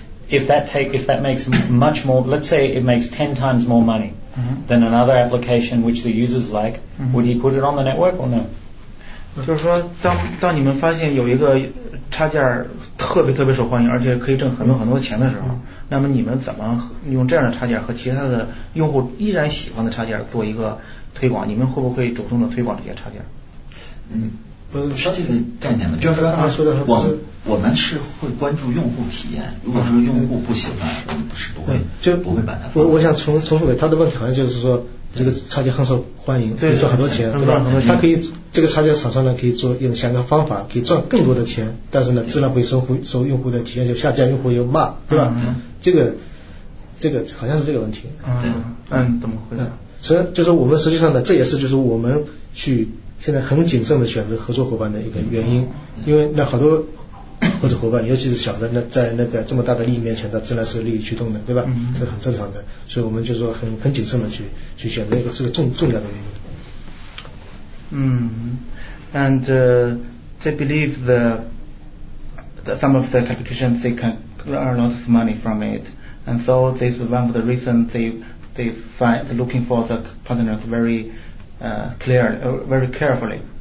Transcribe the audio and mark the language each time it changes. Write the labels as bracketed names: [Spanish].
[English] If that makes much more, let's say it makes 10 times more money than another application which the users like, would he put it on the network or no? [Chinese] 就是说当你们发现有一个插件特别特别受欢迎而且可以挣很多很多钱的时候那么你们怎么用这样的插件和其他的用户依然喜欢的插件做一个推广你们会不会主动的推广这些插件不是说这个概念吗就是刚才说的我们是会关注用户体验如果说用户不喜欢我们是不会把它我想重复给他的问题好像就是说这个插件很受欢迎，可以赚很多钱，对吧？它可以，这个插件厂商呢可以做用相应的方法可以赚更多的钱，但是呢质量会受用户的体验就下降，用户又骂，对吧？这个好像是这个问题。嗯，怎么回答？实际上就是我们实际上呢，这也是就是我们去现在很谨慎的选择合作伙伴的一个原因，因为那好多合作伙伴，尤其是小的，那在那个这么大的利益面前，它自然是利益驱动的，对吧？这很正常的，所以我们就说很谨慎的去选择一个这个重要的原因。 [English] 嗯 ，and they believe the some of the competition they can earn a lot of money from it, and so this is one of the reasons they find looking for the partners very carefully.